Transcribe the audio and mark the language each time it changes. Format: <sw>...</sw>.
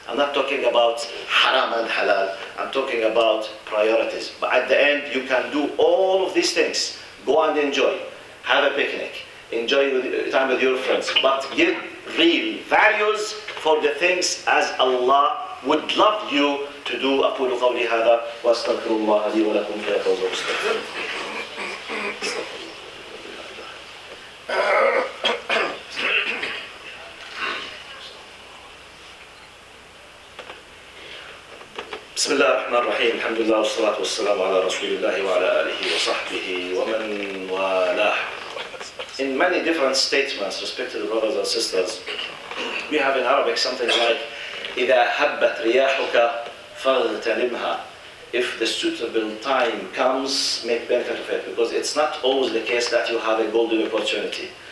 <en>I'm not talking about haram and halal. I'm talking about priorities. But at the end, you can do all of these things. Go and enjoy. Have a picnic. Enjoy time with your friends. But give real values for the things as Allah would love you to do.</en> <ar>أَقُولُ قَوْلِي هَذَا وَاسْتَغْفِرُ اللَّهَ لِي وَلَكُمْ فَيَفُوزُ بسم الله الرحمن الرحيم الحمد لله والصلاة والسلام على رسول الله وعلى آله وصحبه ومن والاه.</ar> <en>In many different statements, respected brothers and sisters, we have in Arabic something like</en> <ar>إذا هبت رياحك فاغتنمها.</ar> <en>If the suitable time comes, make benefit of it, because it's not always the case that you have a golden opportunity.</en>